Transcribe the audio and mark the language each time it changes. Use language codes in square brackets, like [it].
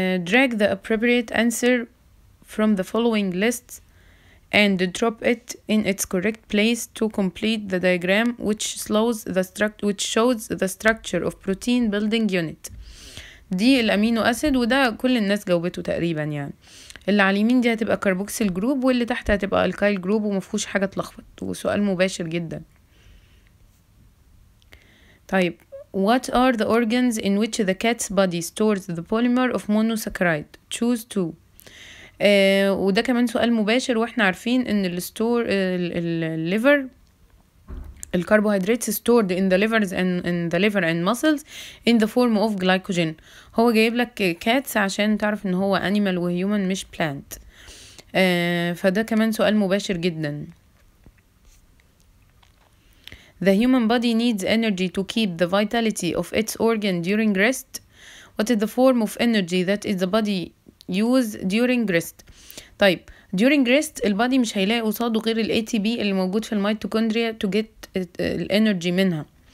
[en] Drag the appropriate answer from the following list and drop it in its correct place to complete the diagram which shows the structure of protein building unit. [ar] دي الأمينو أسيد، وده كل الناس جاوبته تقريبا، يعني اللي على اليمين دي هتبقى كربوكسيل جروب، واللي تحت هتبقى ألكايل جروب، ومفهوش حاجة تلخبط، وسؤال مباشر جدا. [en] طيب what are the organs in which the cat's body stores the polymer of monosaccharide؟ choose two. [ar] وده كمان سؤال مباشر، واحنا عارفين ان الستور الليفر الكربوهيدرات [en] stored in the liver and in the liver and muscles in the form of glycogen. [ar] هو جايب لك cats عشان تعرف ان هو animal و human مش plant. فده كمان سؤال مباشر جدا. [en] The human body needs energy to keep the vitality of its organ during rest. What is the form of energy that is the body use during rest? [ar] طيب [en] during rest the body [ar] مش هيلاقي قصاده غير ال ATP اللي موجود في الميتوكوندريا [en] to get energy [ar] منها.